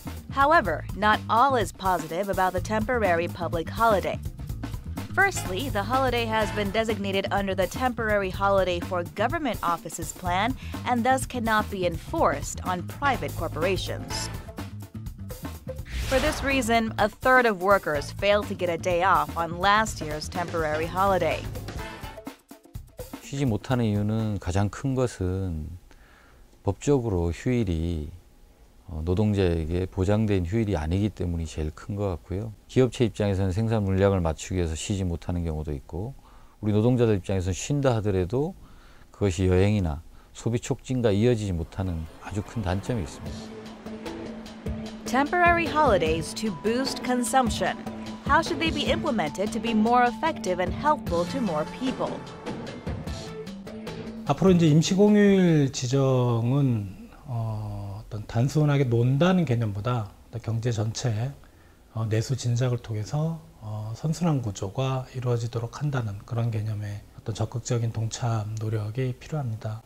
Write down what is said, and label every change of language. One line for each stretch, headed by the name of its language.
English: However, not all is positive about the temporary public holiday. Firstly, the holiday has been designated under the Temporary Holiday for Government Offices plan and thus cannot be enforced on private corporations. For this reason, a third of workers failed to get a day off on last year's temporary holiday.
Korean: 쉬지 못하는 이유는 가장 큰 것은 법적으로 휴일이 노동자에게 보장된 휴일이 아니기 때문이 제일 큰 것 같고요. 기업체 입장에서는 생산 물량을 맞추기 위해서 쉬지 못하는 경우도 있고 우리 노동자들 입장에서는 쉰다 하더라도 그것이 여행이나 소비 촉진과 이어지지 못하는 아주 큰 단점이 있습니다.
English: Temporary holidays to boost consumption. How should they be implemented to be more effective and helpful to more people?
Korean: 앞으로 이제 임시공휴일 지정은 단순하게 논다는 개념보다 경제 전체의 내수 진작을 통해서 선순환 구조가 이루어지도록 한다는 그런 개념의 어떤 적극적인 동참 노력이 필요합니다.